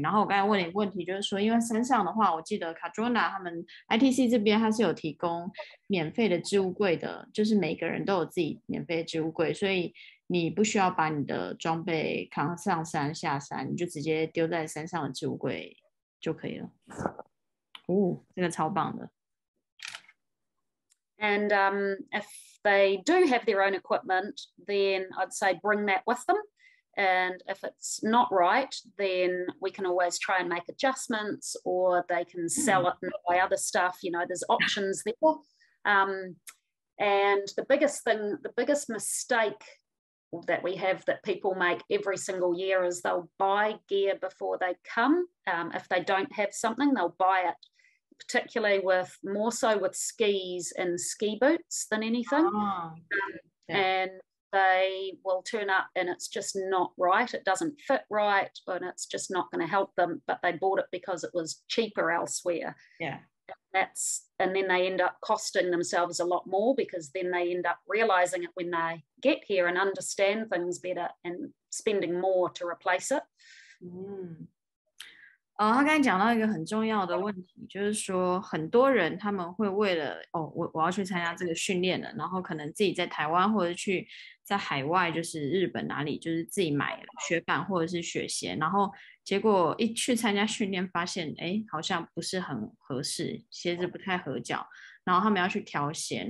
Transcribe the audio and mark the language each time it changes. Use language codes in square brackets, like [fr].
[zh] 然后我刚才问你一个问题，就是说因为山上的话，我记得 Cardrona 他们 ITC 这边它是有提供免费的置物柜的，就是每个人都有自己免费的置物柜，所以你不需要把你的装备扛上山下山，你就直接丢在山上的置物柜就可以了。哦，这个超棒的。 [en] And if they do have their own equipment, then I'd say bring that with them. And if it's not right, then we can always try and make adjustments, or they can sell it and buy other stuff. You know, there's options there. And the biggest thing, the biggest mistake that we have that people make every single year is they'll buy gear before they come. If they don't have something, they'll buy it. Particularly with more so with skis and ski boots than anything. And they will turn up and it's just not right. It doesn't fit right and it's just not going to help them, but they bought it because it was cheaper elsewhere. And then they end up costing themselves a lot more, because then they end up realizing it when they get here and understand things better and spending more to replace it. [zh] 他刚才讲到一个很重要的问题，就是说很多人他们会为了我要去参加这个训练了，然后可能自己在台湾或者去在海外，就是日本哪里，就是自己买雪板或者是雪鞋，然后结果一去参加训练发现好像不是很合适，鞋子不太合脚，然后他们要去调鞋。